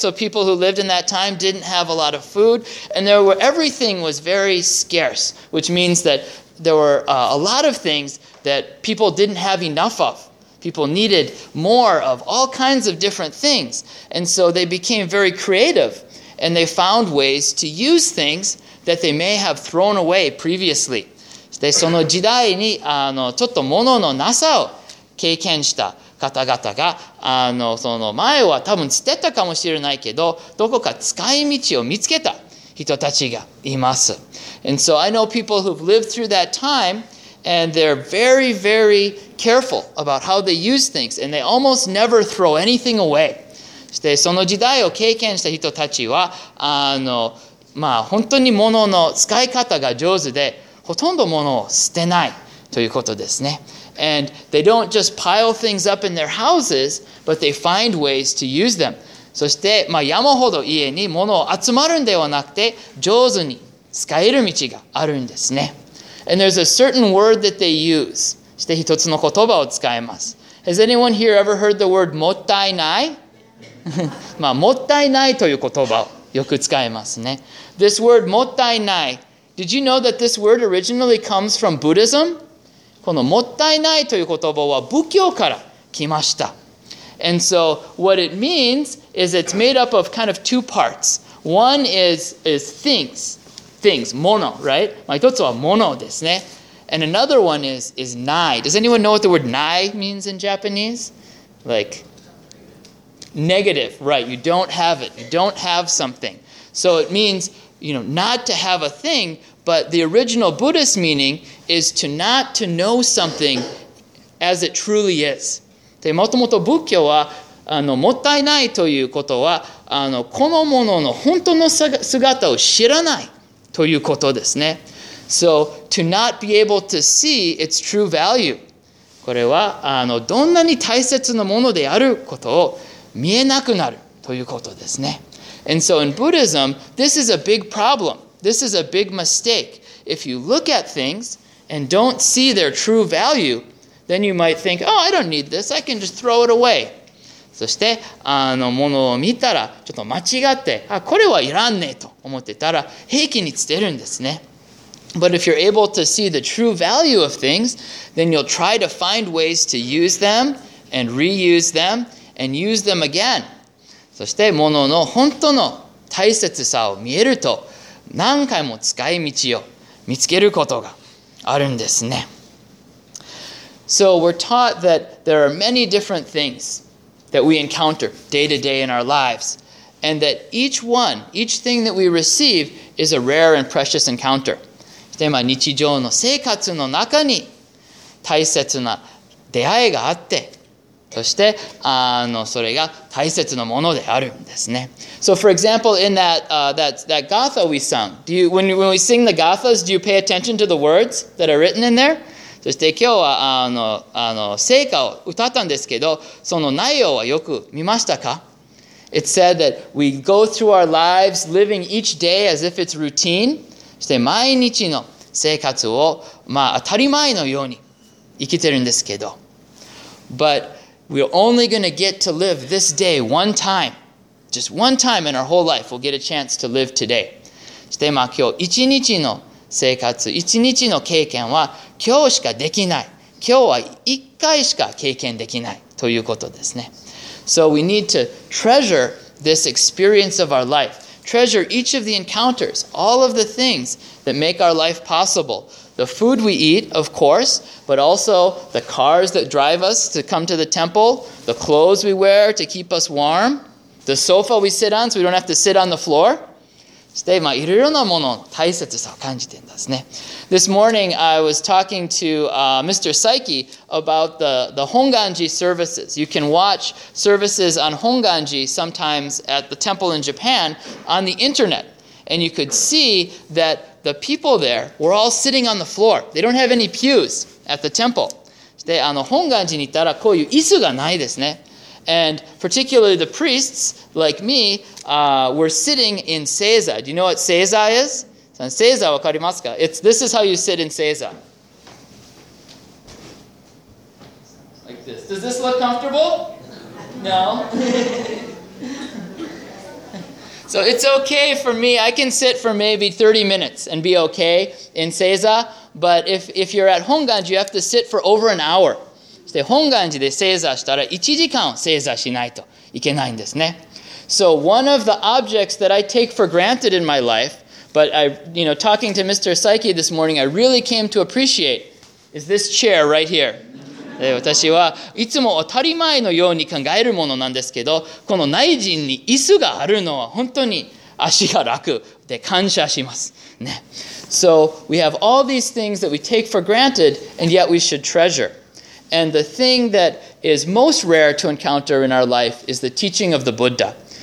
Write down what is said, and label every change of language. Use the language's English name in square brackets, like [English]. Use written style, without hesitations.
[English] So people who lived in that time didn't have a lot of food. And everything was very scarce, which means that there were a lot of things that people didn't have enough of. People needed more of all kinds of different things. And so they became very creative, and they found ways to use things that they may have thrown away previously. [Japanese] で、その時代にちょっと物のなさを経験した。方々がその前は多分捨てたかもしれないけど、どこか使い道を見つけた人たちがいます。 [English] And so I know people who've lived through that time, and they're very, very careful about how they use things, and they almost never throw anything away. [Japanese] して、その時代を経験した人たちは、まあ、本当に物の使い方が上手で、ほとんど物を捨てないということですね。 [English] And they don't just pile things up in their houses, but they find ways to use them. [Japanese] そして、まあ、山ほど家に物を集まるんではなくて、上手に使える道があるんですね。 [English] And there's a certain word that they use. [Japanese] そして一つの言葉を使います。 [English] Has anyone here ever heard the word もったいない、 [Japanese] まあ、もったいないという言葉をよく使いますね。 [English] This word もったいない。 Did you know that this word originally comes from Buddhism? [Japanese] このもったいないという言葉は仏教から来ました。 [English] And so what it means is it's made up of kind of two parts. One is things. Things, mono, right? [Japanese] まあ、一つはものですね。 [English] And another one is nai. Does anyone know what the word nai means in Japanese? Like, negative, right? You don't have it. You don't have something. So it means, you know, not to have a thing, but the original Buddhist meaning is to not to know something as it truly is. [Japanese] で、もともと仏教は、もったいないということは、このものの本当の姿を知らない。ということですね。 [English] So, to not be able to see its true value. [Japanese] これは、どんなに大切なものであることを見えなくなるということですね。 [English] And so, in Buddhism, this is a big problem. This is a big mistake. If you look at things and don't see their true value, then you might think, oh, I don't need this. I can just throw it away. [Japanese] そして、ものを見たら、ちょっと間違って、あ、これはいらんねえと。思ってたら平気に捨てるんですね。 [English] But if you're able to see the true value of things, then you'll try to find ways to use them and reuse them and use them again. [Japanese] そして物の本当の大切さを見えると何回も使い道を見つけることがあるんですね。 [English] So we're taught that there are many different things that we encounter day to day in our lives. And that each one, each thing that we receive is a rare and precious encounter. [Japanese] そして、まあ、日常の生活の中に大切な出会いがあって、そして、それが大切なものであるんですね。 [English] So for example, in that gatha we sung, when we sing the gathas, do you pay attention to the words that are written in there? [Japanese] そして今日は聖歌を歌ったんですけど、その内容はよく見ましたか? [English] It said that we go through our lives living each day as if it's routine. [Japanese] そして毎日の生活を、まあ、当たり前のように生きてるんですけど。 [English] But we're only going to get to live this day one time. Just one time in our whole life we'll get a chance to live today. [Japanese] そして、まあ、今日一日の生活、一日の経験は今日しかできない。今日は一回しか経験できないということですね。 [English] So we need to treasure this experience of our life. Treasure each of the encounters, all of the things that make our life possible. The food we eat, of course, but also the cars that drive us to come to the temple, the clothes we wear to keep us warm, the sofa we sit on so we don't have to sit on the floor. [Japanese] そして、まあ、いろいろなものの大切さを感じてるんですね。 [English] This morning I was talking to Mr. Saiki about the Honganji services. You can watch services on Honganji sometimes at the temple in Japan on the internet. And you could see that the people there were all sitting on the floor. They don't have any pews at the temple. [Japanese] そして、Honganji に行ったらこういう椅子がないですね。 [English] And particularly the priests, like me, were sitting in seiza. Do you know what seiza is? Seiza, [Japanese] わかりますか? [English] This is how you sit in seiza. Like this. Does this look comfortable? No? So it's okay for me. I can sit for maybe 30 minutes and be okay in seiza. But if you're at Honganji, you have to sit for over an hour. [Japanese] で、本願寺で正座したら1時間正座しないといけないんですね。 [English] So one of the objects that I take for granted in my life, but I, you know, talking to Mr. Saiki this morning, I really came to appreciate is this chair right here. [Japanese] で、私はいつも当たり前のように考えるものなんですけど、この内陣に椅子があるのは本当に足が楽で感謝しますね。 [English] So we have all these things that we take for granted, and yet we should treasure.And the thing that is most rare to encounter in our life is the teaching of the Buddha.